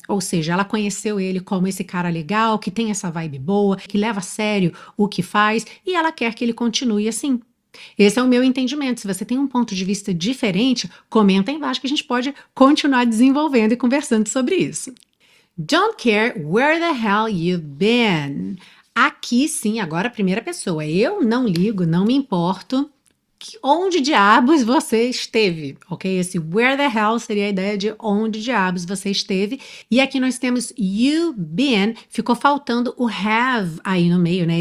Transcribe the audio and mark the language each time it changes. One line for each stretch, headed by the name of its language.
Portuguese: Ou seja, ela conheceu ele como esse cara legal, que tem essa vibe boa, que leva a sério o que faz, e ela quer que ele continue assim. Esse é o meu entendimento. Se você tem um ponto de vista diferente, comenta aí embaixo que a gente pode continuar desenvolvendo e conversando sobre isso.
English: Don't care where the hell you've been.
Portuguese: Aqui sim, agora a primeira pessoa. Eu não ligo, não me importo onde diabos você esteve, ok? Esse
English: where the hell
Portuguese: seria a ideia de onde diabos você esteve. E aqui nós temos you've been, ficou faltando o have aí no meio, né?